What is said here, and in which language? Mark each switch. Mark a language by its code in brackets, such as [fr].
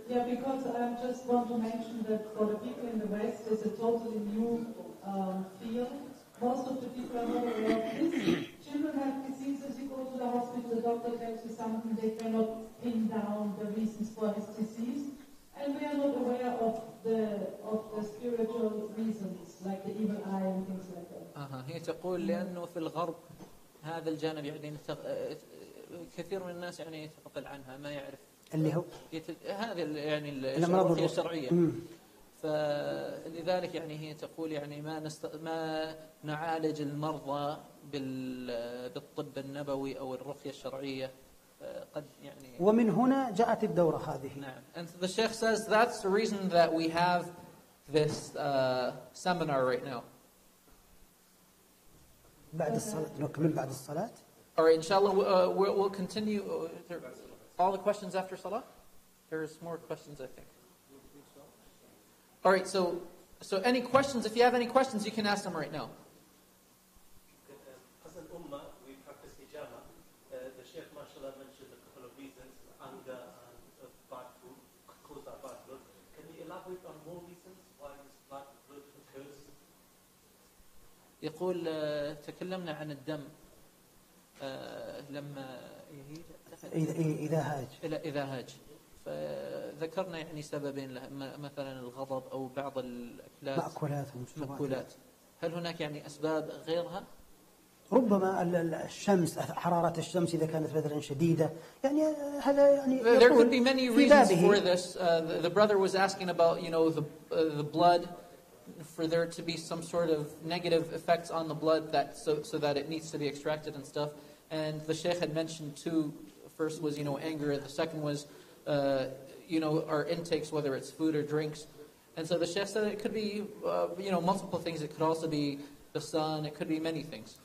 [en] Yeah, because I just want to mention that for the people in the West, it's a totally new field. Most of the people are not aware of this. children have diseases, you go to the hospital, the doctor tells you something, they cannot pin down the reasons for his disease, and we are not aware of the spiritual reasons, like the evil eye and things like that. [ar] هي تقول لأنه في الغرب هذا الجانب يعني كثير من الناس يعني يتقفل عنها ما يعرف اللي هو هذا يعني الأمراض الشرعية فلذلك يعني هي تقول يعني ما نعالج المرضى بالطب النبوي أو الرقية الشرعية قد يعني ومن هنا جاءت الدورة هذه [en] نعم and the sheikh says that's the reason that we have this seminar right now [ar] بعد الصلاة نكمل بعد الصلاة. [en] Alright, inshallah, we'll continue. All the questions after salah. There's more questions, I think. Alright, so any questions? If you have any questions, you can ask them right now. As an ummah, we practice hijama. The Sheikh, mashallah, mentioned a couple of reasons: anger and bad food cause that bad blood. Can you elaborate on more reasons why this bad blood occurs? [ar] يقول تكلمنا عن الدم لما إذا هاج فذكرنا يعني سببين لها مثلا الغضب أو بعض الأكلات مأكولات هل هناك يعني أسباب غيرها ربما الشمس حرارة الشمس إذا كانت مثلا شديدة يعني هذا يعني [en] there could be many reasons for this the brother was asking about you know the blood for there to be some sort of negative effects on the blood that so that it needs to be extracted and stuff and the sheikh had mentioned two first was you know anger the second was you know our intakes whether it's food or drinks and so the sheikh said it could be you know multiple things it could also be the sun it could be many things